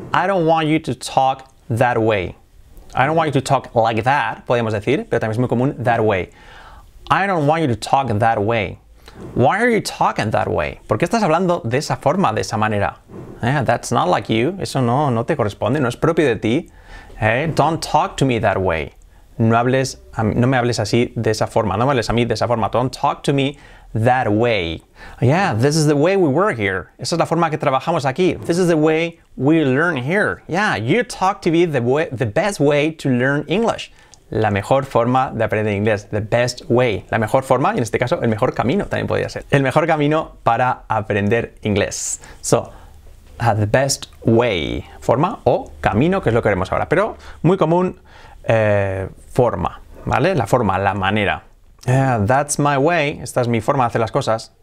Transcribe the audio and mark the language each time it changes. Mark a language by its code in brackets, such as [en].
[en] I don't want you to talk that way. I don't want you to talk like that, [es] podemos decir, pero también es muy común [en] that way. I don't want you to talk that way. Why are you talking that way? [es] ¿Por qué estás hablando de esa forma, de esa manera? [en] Yeah, that's not like you. [es] Eso no te corresponde, no es propio de ti. [en] Hey, don't talk to me that way. [es] No me hables así, de esa forma. No me hables a mí de esa forma. [en] Don't talk to me that way. Yeah, this is the way we work here. [es] Esa es la forma que trabajamos aquí. [en] This is the way we learn here. Yeah, you talk to me the best way to learn English. [es] La mejor forma de aprender inglés, [en] the best way. [es] La mejor forma, y en este caso, el mejor camino también podría ser. El mejor camino para aprender inglés. [en] So, the best way. [es] Forma o camino, que es lo que haremos ahora. Pero muy común, forma, ¿vale? La forma, la manera. [en] Yeah, that's my way. [es] Esta es mi forma de hacer las cosas.